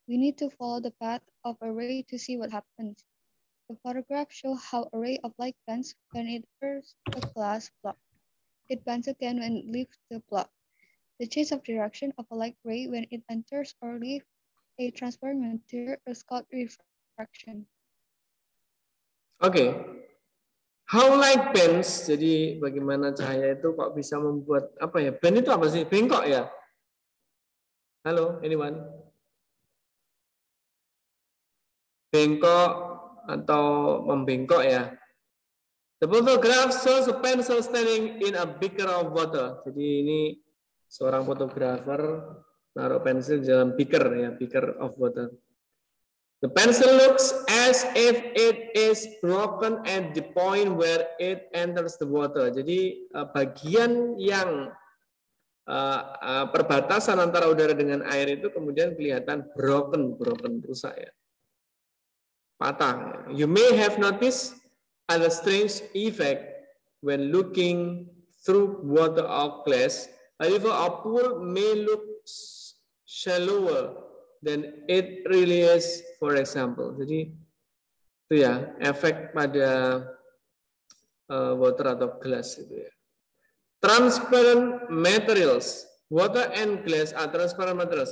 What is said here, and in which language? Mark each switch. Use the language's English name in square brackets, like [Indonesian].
[English] We need to follow the path of a ray to see what happens. The photograph shows how a ray of light bends when it enters a glass block. It bends again when it leaves the block. The change of direction of a light ray when it enters or leaves a transparent material is called refraction. Okay. How light bends? [Indonesian] Jadi bagaimana cahaya itu kok bisa membuat apa ya? Bend itu apa sih? Bengkok ya? Halo, anyone? Bengkok atau membengkok ya? [English] The photograph shows a pencil standing in a beaker of water. [Indonesian] Jadi ini seorang fotografer taruh pensil dalam beaker ya, [English] beaker of water. The pencil looks as if it is broken at the point where it enters the water. [Indonesian] Jadi bagian yang perbatasan antara udara dengan air itu kemudian kelihatan broken, rusak ya. Patah. [English] You may have noticed a strange effect when looking through water or glass. A river or pool may look shallower than it really is, for example. [Indonesian] Jadi itu ya efek pada water atau glass itu ya. [English] Transparent materials, water and glass are transparent materials.